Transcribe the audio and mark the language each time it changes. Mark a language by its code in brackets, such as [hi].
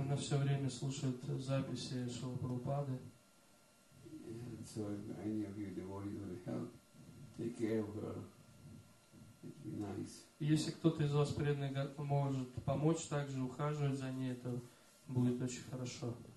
[ru] Она все время слушает записи Шрила Прабхупады. [en] And so if any of you devotees would help, take care of her, it'd be nice. [ru] Если кто-то из вас преданных может помочь, также ухаживать за ней, это будет очень хорошо.